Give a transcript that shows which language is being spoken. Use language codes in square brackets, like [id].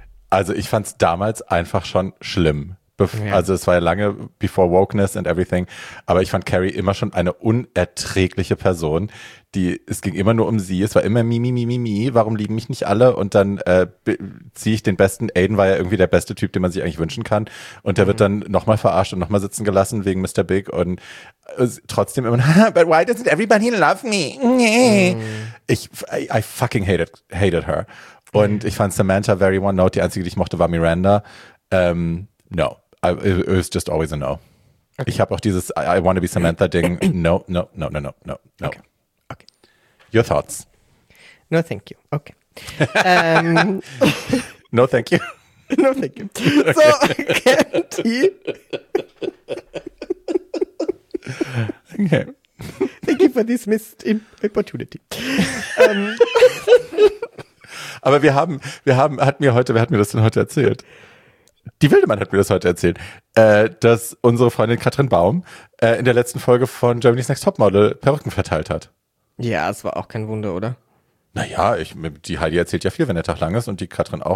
[de] Also ich fand es damals einfach schon schlimm. Also es war ja lange [en] before wokeness and everything, [de] aber ich fand Carrie immer schon eine unerträgliche Person. Es ging immer nur um sie, es war immer mi, warum lieben mich nicht alle, und dann ziehe ich den besten, Aiden war ja irgendwie der beste Typ, den man sich eigentlich wünschen kann, und der wird dann nochmal verarscht und nochmal sitzen gelassen wegen Mr. [en] Big [de] und trotzdem immer, [en] but why doesn't everybody love me? I fucking hated her, [de] und ich fand Samantha [en] very one note, [de] die einzige, die ich mochte, war Miranda. [en] No, it was just always a no. Okay. [de] Ich habe auch dieses [en] I want to be [de] Samantha-Ding. [en] No. Okay. Your thoughts? No, thank you. Okay. No, thank you. No, thank you. Okay. So, Candy. Okay. Thank you for this missed opportunity. [de] Aber wer hat mir das denn heute erzählt? Die Wildemann hat mir das heute erzählt, dass unsere Freundin Katrin Baum in der letzten Folge von Germany's Next Topmodel Perücken verteilt hat. Ja, es war auch kein Wunder, oder? Naja, die Heidi erzählt ja viel, wenn der Tag lang ist, und die Katrin auch.